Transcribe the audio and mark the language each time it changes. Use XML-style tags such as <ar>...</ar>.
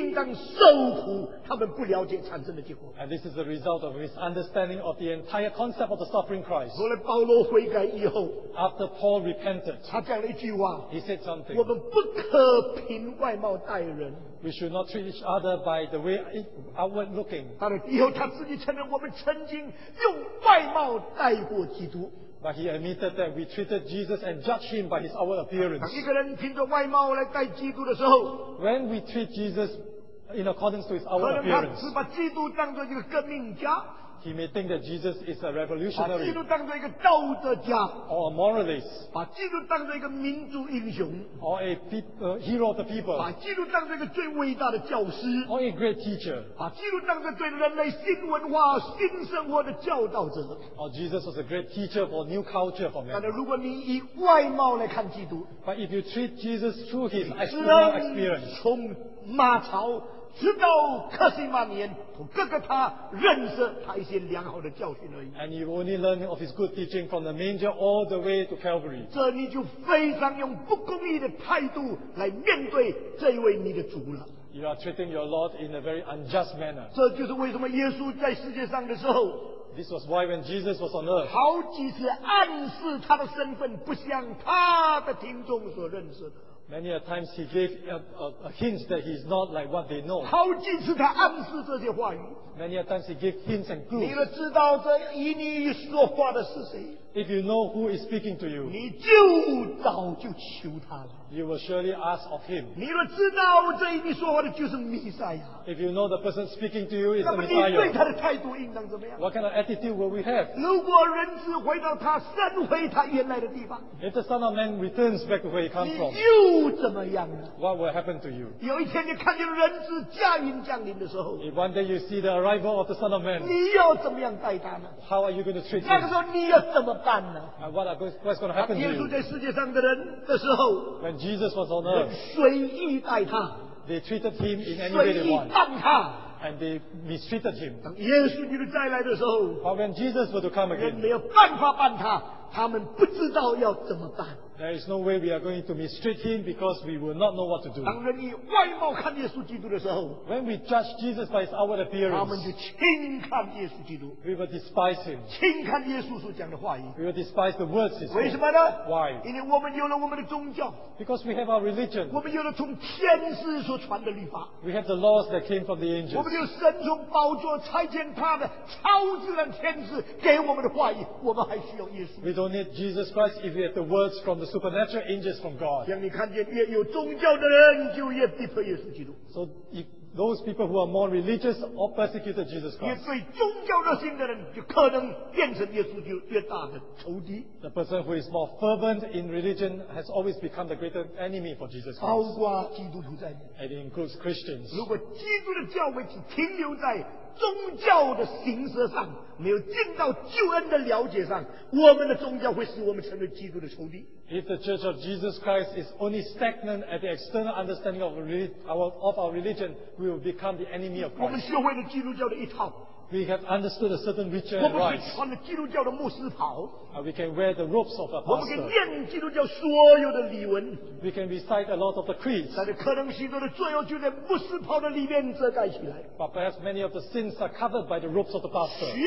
<zh>这是整个旧约误认真正的基督应当受苦，他们不了解产生的结果。</zh> <en>And this is the result of misunderstanding of the entire concept of the suffering Christ.</en> <zh>后来保罗悔改以后，</zh> <en>After Paul repented,</en> <zh>他讲了一句话，</zh> <en>He said something.</en> <zh>我们不可凭外貌待人。</zh> <en>We should not treat each other by the way outward looking.</en> <zh>但是以后他自己承认我们曾经用外貌待过基督。</zh> <en>But he admitted that we treated Jesus and judged him by his outward appearance.</en> <zh>当一个人凭着外貌来待基督的时候，</zh> <en>When we treat Jesus in accordance to his outward appearance,</en> <zh>可能他只把基督当作一个革命家。</zh> <en>He may think that Jesus is a revolutionary,</en> <zh>把基督当作一个道德家，</zh> <en>or a moralist,</en> <zh>把基督当作一个民族英雄，</zh> <en>or a hero of the people,</en> <zh>把基督当作一个最伟大的教师，</zh> <en>or a great teacher,</en> <zh>把基督当作对人类新文化新生活的教导者，</zh> <en>or Jesus was a great teacher for new culture for men.</en> <zh>但是如果你以外貌来看基督，</zh> <en>but if you treat Jesus through his external experience,</en> <zh>马槽，直到克西马年，从哥哥他认识他一些良好的教训而已。</zh> <en>And you only learn of his good teaching from the manger all the way to Calvary.</en> <zh>这你就非常用不公义的态度来面对这一位你的主了。</zh> <en>You are treating your Lord in a very unjust manner.</en> <zh>这就是为什么耶稣在世界上的时候。</zh> <en>This was why when Jesus was on earth.</en> <zh>好几次暗示他的身份不像他的听众所认识的。</zh> <en>Many a times he gave a hint that he is not like what they know.</en> <zh>好几次他暗示这些话语。</zh> <en>Many a times he gave hints and clues.</en> <zh>你要知道这以你说话的是谁。</zh> <en>If you know who is speaking to you,</en> <zh>你就早就求他了。</zh> <en>You will surely ask of him.</en> <zh>你若知道这一句说话的就是弥赛亚。</zh> <en>If you know the person speaking to you is the Messiah.</en> <zh>那么你对他的态度应当怎么样？</zh> <en>What kind of attitude will we have?</en> <zh>如果人只回到他身回他原来的地方。</zh> <en>If the Son of Man returns back to where he comes from.</en> <zh>你又怎么样呢？</zh> <en>What will happen to you?</en> <zh>有一天你看见人只驾云降临的时候。</zh> <en>If one day you see the arrival of the Son of Man.</en> <zh>你要怎么样待他呢？</zh> <en>How are you going to treat him?</en> <zh>那个时候你要怎么？</zh> <en>And what's going to happen to you?</en> <zh>耶稣在世界上的人的时候，</zh> <en>When Jesus was on earth,</en> <zh>随意待他，</zh> <en>they treated him in any way they want.</en> <zh>随意待他。</zh> <en>And they mistreated him.</en> <zh>当耶稣基督再来的时候，</zh> <en>But when Jesus were to come again,</en> <zh>人没有办法办他，他们不知道要怎么办。</zh> <en>There is no way we are going to mistreat him because we will not know what to do.</en> <zh>当人以外貌看耶稣基督的时候，</zh> <en>When we judge Jesus by his outward appearance,</en> <zh>他们就轻看耶稣基督。</zh> <en>We will despise him.</en> <zh>轻看耶稣所讲的话语。</zh> <en>We will despise the words he said.</en> <zh>为什么呢？</zh> <en>Why?</en> <zh>因为我们有了我们的宗教。</zh> <en>Because we have our religion.</en> <zh>我们有了从天使所传的律法。</zh> <en>We have the laws that came from the angels.</en> <zh>我们有神从宝座差遣他的超自然天使给我们的话语，我们还需要耶稣。</zh> <en>We don't need Jesus Christ if we have the words from the supernatural angels from God.</en> <zh>像你看见越有宗教的人，就越逼迫耶稣基督。</zh> <en>So if those people who are more religious or persecuted Jesus Christ,</en> <zh>越对宗教热心的人，就可能变成耶稣基督越大的仇敌。</zh> <en>The person who is more fervent in religion has always become the greater enemy for Jesus Christ.</en> <zh>包括基督徒在内。</zh> <en>And it includes Christians.</en> <zh>如果基督的教会只停留在宗教的形式上，没有进到救恩的了解上，我们的宗教会使我们成为基督的仇敌。</zh> <en>If the Church of Jesus Christ is only stagnant at the external understanding of our religion, we will become the enemy of Christ.</en> <zh>我们学会了基督教的一套。</zh> <en>We have understood a certain ritual and</en> <zh>我们可以穿着基督教的牧师袍。</zh> <en>And we can wear the robes of a pastor.</en> <zh>我们可以念基督教所有的礼文。</zh> <en>We can recite a lot of the creeds.</en> <zh>但是可能许多的罪恶就在牧师袍的里面遮盖起来。</zh> <en>But perhaps many of the sins are covered by the robes of the pastor.</en>